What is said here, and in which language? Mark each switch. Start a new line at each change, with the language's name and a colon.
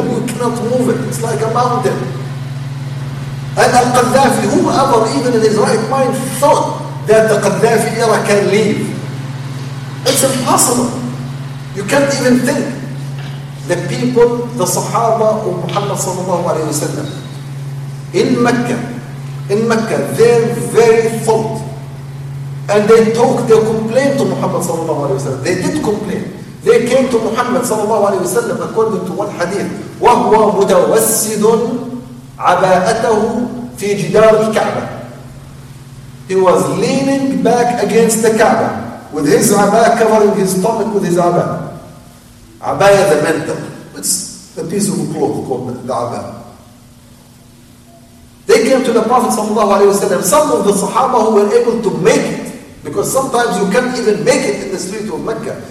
English: You cannot move it. It's like a mountain. And Al-Qaddafi, whoever even in his right mind thought that the Qaddafi era can leave. It's impossible. You can't even think. The people, the Sahaba of Muhammad sallallahu alayhi wa sallam, in Mecca, their very thought. And they talked, they complained to Muhammad sallallahu alayhi wa sallam. They did complain. They came to Muhammad sallallahu alayhi wa sallam according to one hadith.
Arabic: وَهُوَ مُدَوَسِّدٌ عباءته في جدار الكعبة.
English: He was leaning back against the Kaaba with his abaya covering his stomach with his abaya. Abaya the mantle. It's a piece of cloth called the abaya. They came to the Prophet sallallahu alaihi wasallam. Some of the Sahaba who were able to make it, because sometimes you can't even make it in the street of Mecca.